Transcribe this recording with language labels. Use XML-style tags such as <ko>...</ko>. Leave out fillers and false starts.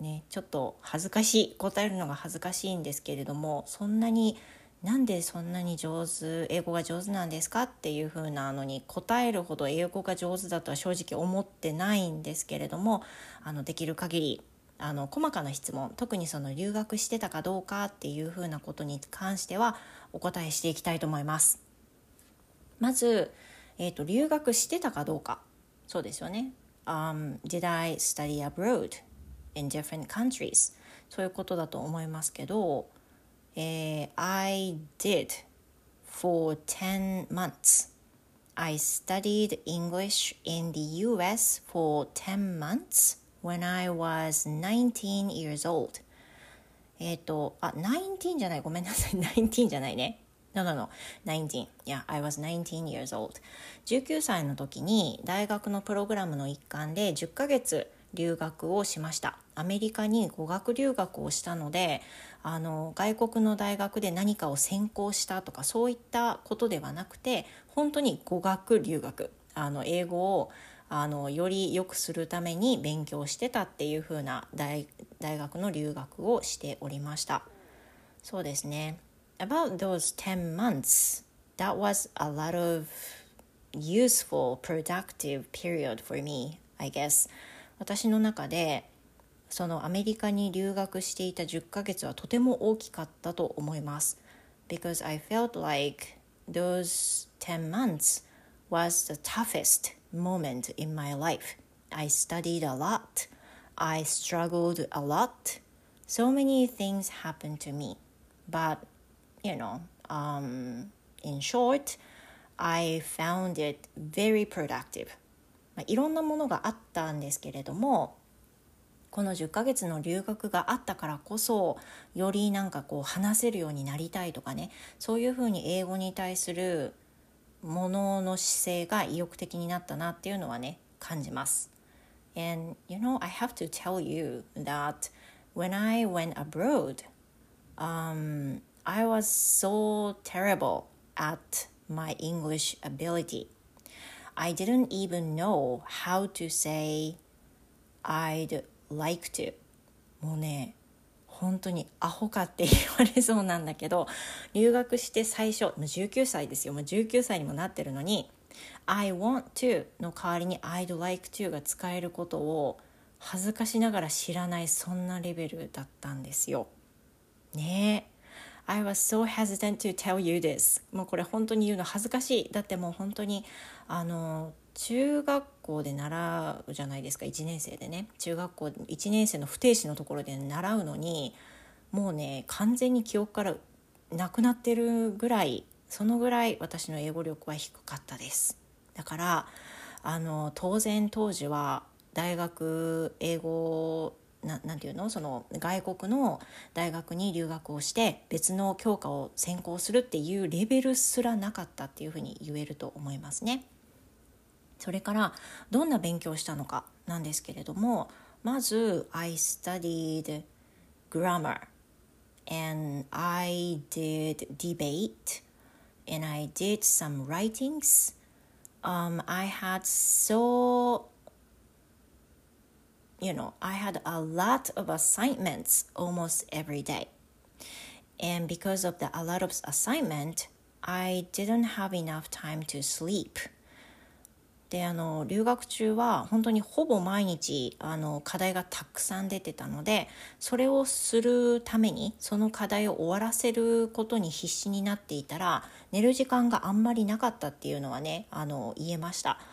<ja>ちょっと恥ずかしい、答えるのが恥ずかしいんですけれども、そんなに、なんでそんなに上手、英語が上手なんですかっていうふうなのに、答えるほど英語が上手だとは正直思ってないんですけれども、できる限り、細かな質問、特にその留学してたかどうかっていうふうなことに関しては、お答えしていきたいと思います。まず、留学してたかどうか、そうですよね。</ja> <en>Did I study abroad in different countries?</en> <ja>そういうことだと思いますけど、</ja> <en>I did for 10 months. I studied English in the US for 10 months when I was 19 years old.</en> <ja>19じゃない、ごめんなさい。 19じゃないね。</ja> <en>No. 19. Yeah, I was 19 years old.</en> <ja>19歳の時に大学のプログラムの一環で10ヶ月留学をしました。アメリカに語学留学をしたので、外国の大学で何かを専攻したとかそういったことではなくて、本当に語学留学。英語をより良くするために勉強してたっていう風な 大学の留学をしておりました。そうですね。</ja> <en>About those 10 months, that was a lot of useful, productive period for me, I guess.</en> <ja>私の中で、そのアメリカに留学していた10ヶ月はとても大きかったと思います。</ja> <en>Because I felt like those 10 months was the toughest moment in my life. I studied a lot. I struggled a lot. So many things happened to me. But... in short, I found it very productive.</en> <ja>まあ、いろんなものがあったんですけれども、この10ヶ月の留学があったからこそ、よりなんかこう話せるようになりたいとかね、そういうふうに英語に対するものの姿勢が意欲的になったなっていうのはね、感じます。</ja> <en>And you know, I have to tell you that when I went abroad, I was so terrible at my English ability. I didn't even know how to say I'd like to.</en> <ja>もうね、本当にアホかって言われそうなんだけど、留学して最初、もう19歳ですよ、もう19歳にもなってるのに、</ja> <en>I want to</en> <ja>の代わりに</ja> <en>I'd like to</en> <ja>が使えることを恥ずかしながら知らない、そんなレベルだったんですよ。ねえ。</ja> <en>I was so hesitant to tell you this.</en> <ja>もうこれ本当に言うの恥ずかしい。だってもう本当に中学校で習うじゃないですか、1年生でね。中学校1年生の不定詞のところで習うのに、もうね、完全に記憶からなくなってるぐらい、そのぐらい私の英語力は低かったです。だから当然当時は大学英語なんていうの、その外国の大学に留学をして別の教科を専攻するっていうレベルすらなかったっていうふうに言えると思いますね。それからどんな勉強したのかなんですけれども、まず</ja> <en>I studied grammar and I did debate and I did some writings. I had soI had a lot of assignments almost every day. And because of a lot of assignment, I didn't have enough time to sleep.</en> <ja>で、留学中は本当にほぼ毎日課題がたくさん出てたので、それをするためにその課題を終わらせることに必死になっていたら寝る時間があんまりなかったっていうのはね、言えました。</ja>